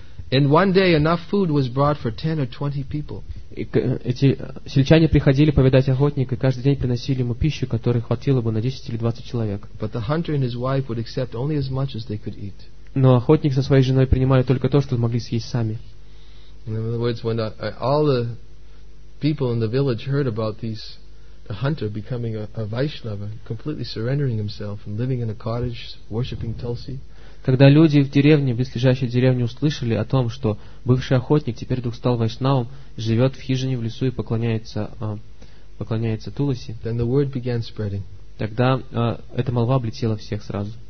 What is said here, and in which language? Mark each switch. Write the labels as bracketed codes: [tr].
[en] In one day enough food was brought for 10 or 20 people. [ru] Эти сельчане приходили повидать охотника и каждый день приносили ему пищу, которой хватило бы на 10 или 20 человек. [en] But the hunter and his wife would accept only as much as they could eat. [ru] Но охотник со своей женой принимали только то, что могли съесть сами. [en] In other words, when all the people in the village heard about these a hunter becoming a Vaishnava, completely surrendering himself and living in a cottage, worshipping Tulsi. [ru] Когда люди в деревне, близлежащей деревне, услышали о том, что бывший охотник теперь вдруг стал вайшнавом, живет в хижине в лесу и поклоняется Туласи. [en] Then the word began spreading. [ru] Тогда эта молва облетела всех сразу.